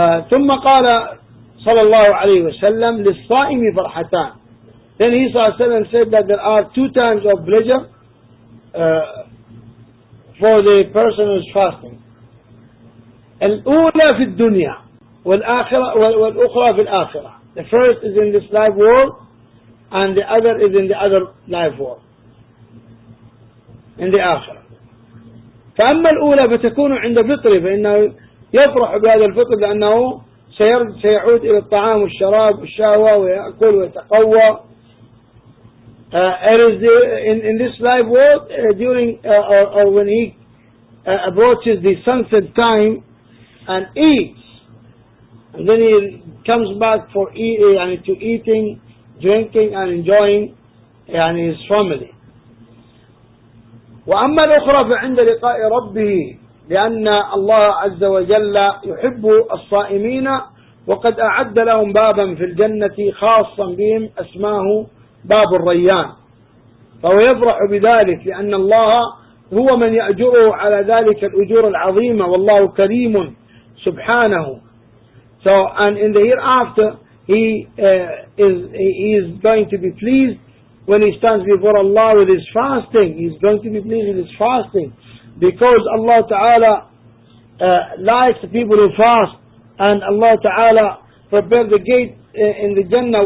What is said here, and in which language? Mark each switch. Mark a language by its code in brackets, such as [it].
[ar] ثم قال صلى الله عليه وسلم للصائم فرحتان. [en] Then he صلى الله عليه وسلم said that there are two times of pleasure for the person who is fasting. [ar] الأولى في الدنيا والآخرة والأخرى في الآخرة. [en] The first is in this life world and the other is in the other life world. In the آخرة. [ar] فأما الأولى فتكون عند فطر، فإنه يفرح بهذا الفطر لأنه سيعود إلى الطعام والشراب والشهوة ويأكل ويتقوى. [en] In this life world when he approaches the sunset time and eats, and then he comes back for eating, drinking and enjoying his family. [ar] وأما الأخرى فعند لقاء ربه، لأن الله عز وجل يحب الصائمين وقد أعد لهم بابا في الجنة خاصا بهم أسماه باب الريان، فهو يفرح بذلك لأن الله هو من يأجره على ذلك الأجور العظيمة، والله كريم سبحانه. [en] So and in the hereafter he is going to be pleased when he stands before Allah with his fasting. He is going to be pleased with his fasting because Allah Ta'ala likes the people who fast, and Allah Ta'ala prepared the gate in the Jannah.